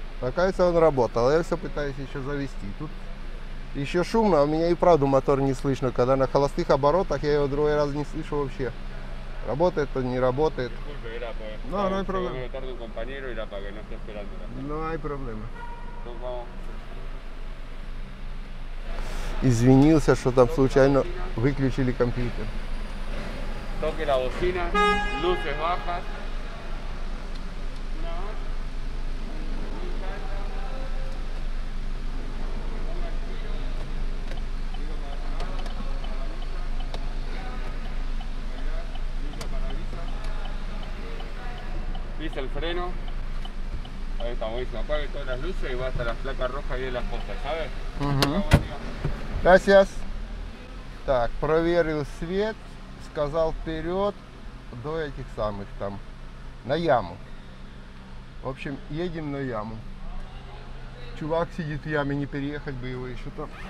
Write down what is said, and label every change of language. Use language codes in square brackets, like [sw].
[ru] Оказывается, он работал, я все пытаюсь еще завести. Тут еще шумно, а у меня и правда мотор не слышно, когда на холостых оборотах я его другой раз не слышу вообще. Работает он, не работает. [es] Disculpe, era no, no hay problema. No hay problema. [ru] Извинился, что там случайно выключили компьютер. [es] Toque la bocina, luces bajas. Pisa el freno. Ahí está, buenísimo. Apague todas las luces y va hasta la placa roja ahí de las postas, ¿sabes? Gracias. [ru] Так, проверил свет, сказал вперед до этих самых там, на яму. В общем, едем на яму. Чувак сидит в яме, не переехать бы его еще там.